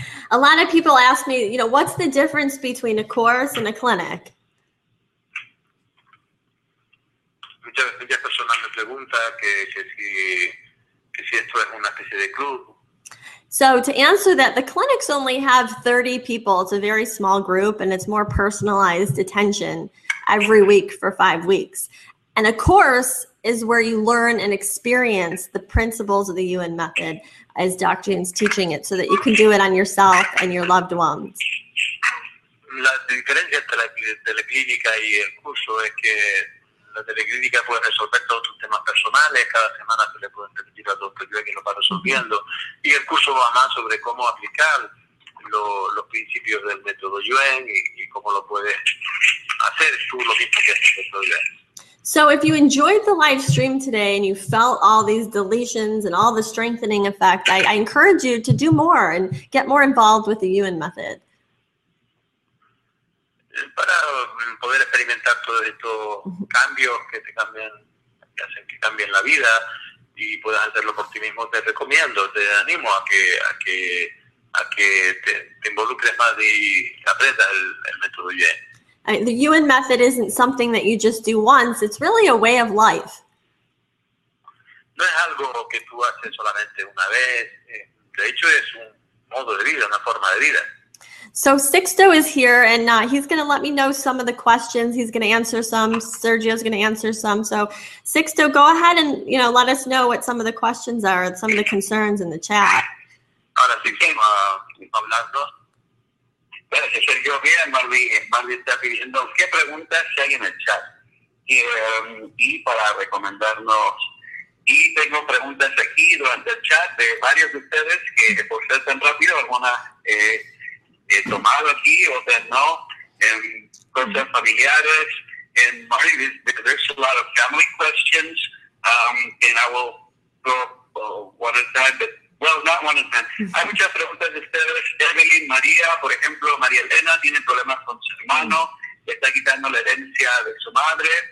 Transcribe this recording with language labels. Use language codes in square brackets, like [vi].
[en] A lot of people ask me, you know, what's the difference between a course and a clinic? [es] Muchas personas me preguntan que si esto es una especie de club. [en] So to answer that, the clinics only have 30 people. It's a very small group, and it's more personalized attention every week for 5 weeks. And a course is where you learn and experience the principles of the UN method as Dr. Yun's teaching it, so that you can do it on yourself and your loved ones. [es] La diferencia entre la teleclínica y el curso es que la teleclínica puede resolver todos tus temas personales. Cada semana se le puede permitir al doctor Yue que lo va resolviendo. Y el curso va más sobre cómo aplicar los principios del método Yuen y cómo lo puedes hacer tú lo mismo que el doctor Yue. [en] So if you enjoyed the live stream today and you felt all these deletions and all the strengthening effect, I encourage you to do more and get more involved with the Yuen method. [es] Para poder experimentar todos estos cambios que hacen que cambien la vida y puedas hacerlo por ti mismo, te recomiendo, te animo a que te involucres más y aprendas el método Yuen. [en] The Yuen method isn't something that you just do once. It's really a way of life. [es] No es algo que tú haces solamente una vez. De hecho, es un modo de vida, una forma de vida. [en] So Sixto is here, and he's going to let me know some of the questions. He's going to answer some. Sergio's going to answer some. So Sixto, go ahead and, you know, let us know what some of the questions are, some of the concerns in the chat. [es] Ahora sí, hablando. Gracias, Sergio. Bien, Marvin está pidiendo qué preguntas si hay en el chat y para recomendarnos. Y tengo preguntas aquí durante el chat de varios de ustedes que, por ser tan rápido, algunas he tomado aquí, otras no, en cosas familiares. [en] And Marvin, because there's a lot of family questions, and I will go one at a time, but well, not one at a time. [es] Hay muchas preguntas de ustedes. Evelyn, María, por ejemplo, María Elena tiene problemas con su hermano, le está quitando la herencia de su madre.